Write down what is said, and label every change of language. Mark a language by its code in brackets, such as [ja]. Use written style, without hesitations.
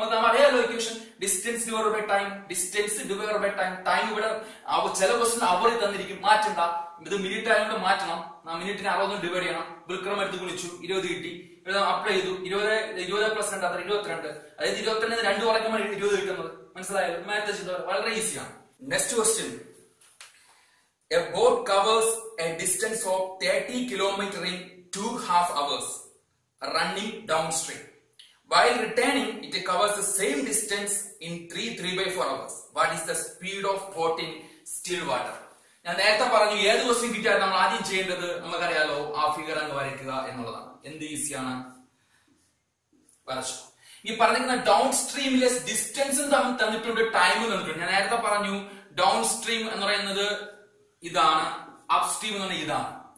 [ml] നമുക്ക് അറിയാലോ [en] Equation, distance divide by time. Distance divide by time. [ml] Time ഇവിടെ ചില ക്വസ്റ്റ്യൻ അവറിൽ തന്നിരിക്കും, മാറ്റണ്ട. ഇത് മിനിറ്റ് ആയതുകൊണ്ട് മാറ്റണം. നാ മിനിറ്റിന് 60 ഡിവൈഡ് ചെയ്യണം. വിക്രമം എടുത്ത് കുളിച്ചു, 20 കിട്ടി. ഇവിടെ അപ്ലൈ ചെയ്തു, 20 + 2 അത്ര 22. അതായത് 22 രണ്ട് കുറയ്ക്കുമ്പോൾ 20 കിട്ടുന്നത്. മനസ്സിലായോ? മാത്തേ ചെയ്താൽ വളരെ ഈസിയാണ്. [en] Next question, A boat covers a distance of 30 km in 2.5 hours running downstream. While returning, it covers the same distance in 3 × 4 hours. What is the speed of boat in still water? [ml] ഞാൻ നേരത്തെ പറഞ്ഞു ഏത് question കിട്ടിയാൽ നമ്മൾ ആദ്യം ചെയ്യേണ്ടത് നമുക്കറിയാലോ ആ ഫിഗർ അങ്ങ് വരയ്ക്കുക എന്നുള്ളതാണ്. എന്ത് ഈസിയാണ്? വരച്ചു. ഈ പറഞ്ഞിരിക്കുന്ന ഡൗൺ സ്ട്രീമിലെ ഡിസ്റ്റൻസും തമ്മിൽ തന്നിട്ടുണ്ട്, ടൈമും തന്നിട്ടുണ്ട്. ഞാൻ നേരത്തെ പറഞ്ഞു ഡൗൺ സ്ട്രീം എന്ന് പറയുന്നത് ഇതാണ്, അപ്സ്ട്രീം എന്ന് പറഞ്ഞാൽ ഇതാണ്.